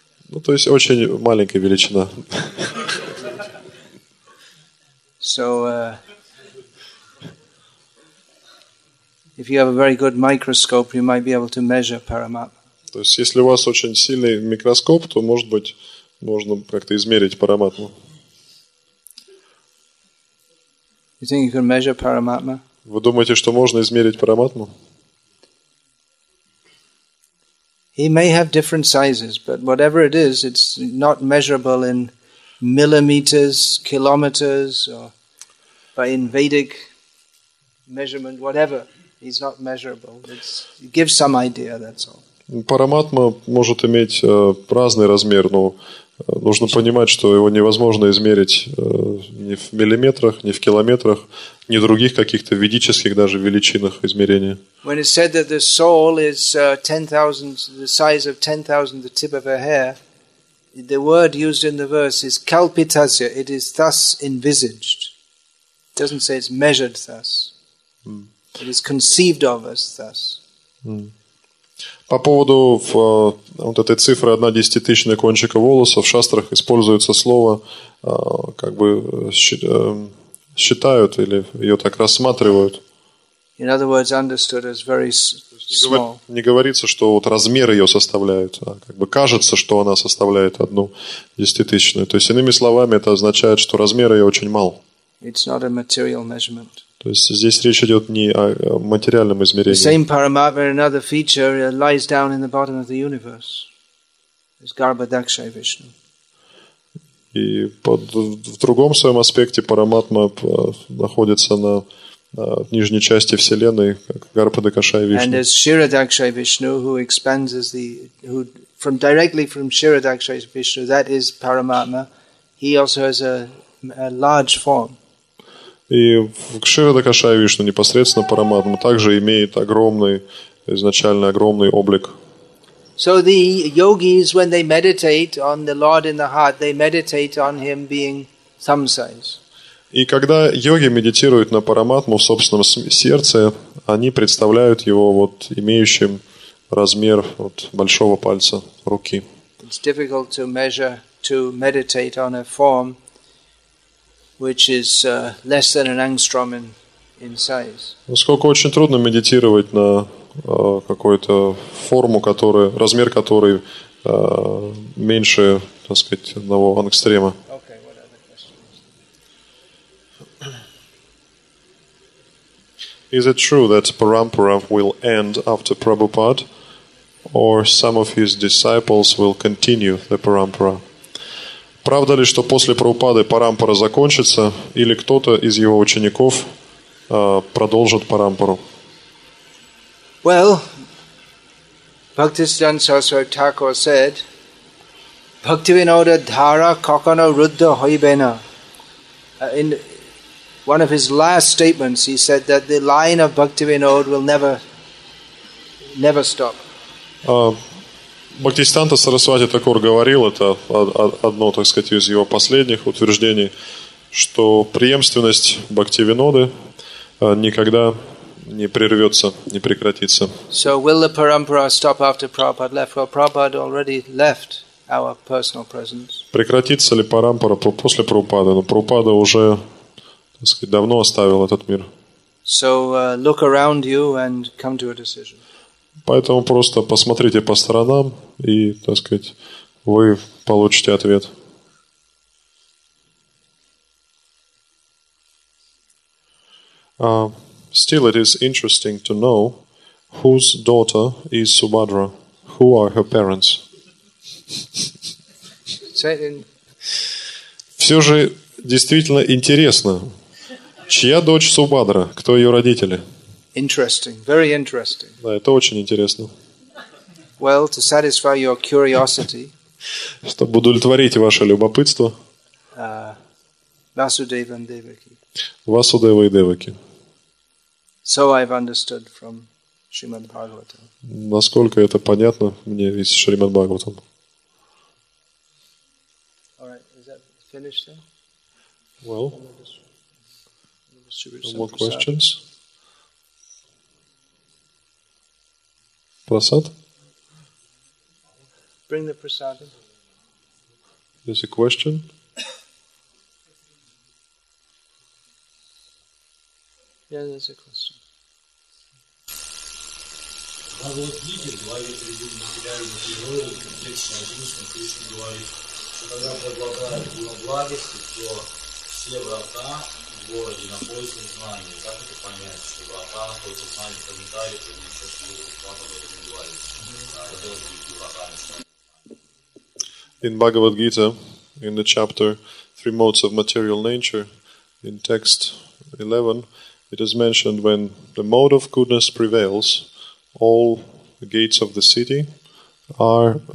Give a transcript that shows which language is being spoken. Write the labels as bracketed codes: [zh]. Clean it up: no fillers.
[ru] Ну, то есть очень маленькая величина. [en] So, if you have a very good microscope, you might be able to measure Paramatma. [ru] То есть, если у вас очень сильный микроскоп, то, может быть, можно как-то измерить параматму. [en] You think you can measure параматма? [ru] Вы думаете, что можно измерить параматму? [en] He may have different sizes, but whatever it is, it's not measurable in millimeters, kilometers, or by in Vedic measurement, whatever. It's not measurable. It gives some idea, that's all. [ru] Параматма может иметь разный размер, но нужно понимать, что его невозможно измерить ни в миллиметрах, ни в километрах, ни в других каких-то ведических даже величинах измерения. [en] When it's said that the soul is 10,000, the size of 10,000, the tip of a hair, the word used in the verse is kalpitasya, it is thus envisaged. It doesn't say it's measured thus. It is conceived of as thus. [ru] По поводу вот этой цифры 1/10 кончика волоса, в шастрах используется слово, как бы считают или ее так рассматривают. [en] In other words, understood as very small. [ru] Не говорится, что вот размер ее составляет, а как бы кажется, что она составляет 1/10. То есть, иными словами, это означает, что размер ее очень мал. [en] It's not a material measurement. [ru] То есть здесь речь идет не о материальном измерении. [en] The same Paramatma, another feature, lies down in the bottom of the universe. It's Garbhadakshaya Vishnu. [ru] И в другом своем аспекте Параматма находится на нижней части Вселенной, как Гарбхадакшая Вишна. [en] And as Shiradakshaya Vishnu, who expands as the who from directly from Shiradakshaya Vishnu, that is Paramatma, he also has a large form. [ru] И Кширадакшая Вишна, непосредственно Параматма, также имеет изначально огромный облик. [en] So the yogis, when they meditate on the Lord in the heart, they meditate on him being some size. [ru] И когда йоги медитируют на Параматму в собственном сердце, они представляют его вот имеющим размер вот большого пальца руки. [en] It's difficult to measure, to meditate on a form which is less than an angstrom in size. [ru] Насколько очень трудно медитировать на какую-то форму, которая размер которой меньше, так сказать, одного ангстрема. [en] Okay, what other questions? Is it true that Parampara will end after Prabhupada, or some of his disciples will continue the Parampara? [ru] Правда ли, что после Прабхупады Парампара закончится, или кто-то из его учеников продолжит Парампару? [en] Well, Bhaktisiddhanta Saraswati Thakur said, [bn] Bhaktivinoda dhara kakano ruddha hoibena. [en] In one of his last statements, he said that the line of Bhaktivinoda will never stop. [ru] Бхактисиддханта Сарасвати Такур говорил, это одно, так сказать, из его последних утверждений, что преемственность Бхактивиноды никогда не прервется, не прекратится. [en] So will the parampara stop after Prabhupada left? Well, Prabhupada already left our personal presence. [ru] Прекратится ли парампара после Прабхупады? Но Прабхупада уже, так сказать, давно оставил этот мир. [en] So look around you and come to a decision. [ru] Поэтому просто посмотрите по сторонам, и, так сказать, вы получите ответ. [en] Still, it is interesting to know whose daughter is Subhadra. Who are her parents? [ru] Все же действительно интересно. Чья дочь Субхадра? Кто ее родители? [en] Interesting, very interesting. [ru] Да, это очень интересно. [en] Well, to satisfy your curiosity. [ru] Чтобы удовлетворить ваше любопытство. [en] Vasudeva and Devaki. [ru] Vasudeva и Devaki. [en] So I've understood from Shrimad Bhagavatam. [ru] Насколько это понятно мне из Шримад Бхагаватам. [en] All right, is that finished then? Well, no more questions. Prasad? Bring the prasad. There's a question. Yeah, there's a question. [ru] Bhagavad-gītā говорит о любви к материальному миру, в контексте Аджуна Кришна говорит, что когда предлагают его благости, то все врата в городе находятся в знании. Как это понять, что врата находятся в знании, комментарии, что они сейчас будут вкладывать? [en] In Bhagavad Gita, in the chapter Three Modes of Material Nature, in text 11, it is mentioned when the mode of goodness prevails, all the gates of the city are